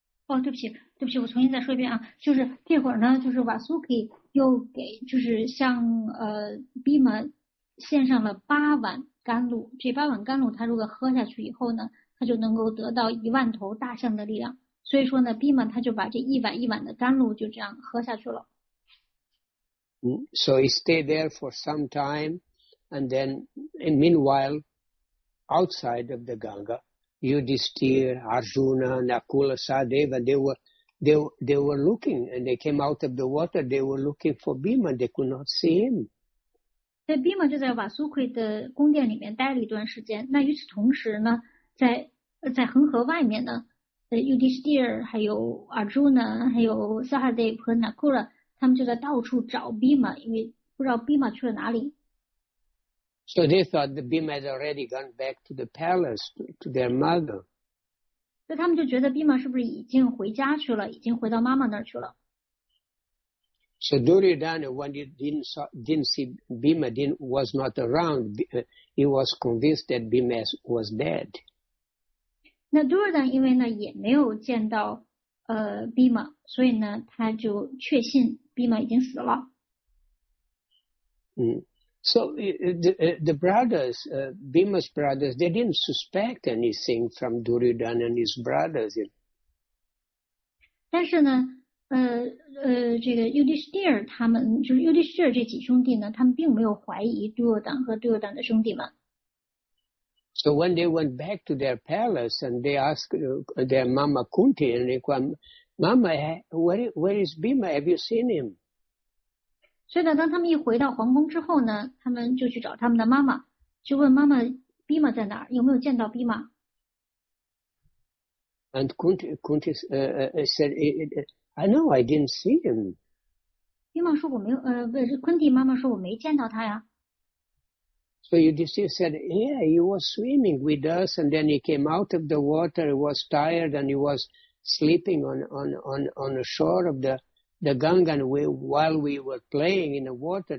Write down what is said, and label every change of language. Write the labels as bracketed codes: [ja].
[zh] 对不起，我重新再说一遍啊，就是这会儿呢，就是 Vasuki 又给就是向Bhima 献上了八碗甘露，这八碗甘露他如果喝下去以后呢，他就能够得到一万头大象的力量，所以说呢 ，Bhima 他就把这一碗一碗的甘露就这样喝下去了。 [en] So he stayed there for some time, and then, and meanwhile, outside of the Ganga, Yudhisthira, Arjuna, Nakula, Sahadeva, they were looking, and they came out of the water. They were looking for Bhima. They could not see him. [zh] 在 Bhima 就在瓦苏奎的宫殿里面待了一段时间。那与此同时呢，在恒河外面呢，Yudhisthira 还有 Arjuna 还有 Sahadeva 和 Nakula。他们就在到处找 Bhima， 因为不知道 Bhima 去了哪里。 [en] So they thought the Bhima had already gone back to the palace to their mother. [zh] 所以他们就觉得 Bhima 是不是已经回家去了，已经回到妈妈那儿去了。 [en] So Duryodhana, when he didn't see Bhima, was not around, he was convinced that Bhima was dead. [zh] 那 Duryodhana 因为呢也没有见到Bhima, 所以呢他就确信 Bhima 已经死了。嗯。 [en] So the brothers, Bhima's brothers, they didn't suspect anything from Duryodhana and his brothers. [zh] 但是呢，这个 Yudhishthir 他们就是 Yudhishthir 这几兄弟呢，他们并没有怀疑 Duryodhana 和 Duryodhana 的兄弟们。 [en] So when they went back to their palace and they asked their mama Kunti, and they said, "Mama, where is Bhima? Have you seen him?" [zh] 所以呢，当他们一回到皇宫之后呢，他们就去找他们的妈妈，就问妈妈 ，Bhima 在哪儿？有没有见到 Bhima？ [en] And Kunti said, "I know, I didn't see him." [zh] Bhima 说我没有，不是 Kunti 妈妈说我没见到他呀。 [en] So Yudhishthir said, "Yeah, he was swimming with us, and then he came out of the water. He was tired, and he was sleeping on the shore of the Ganga, and while we were playing in the water.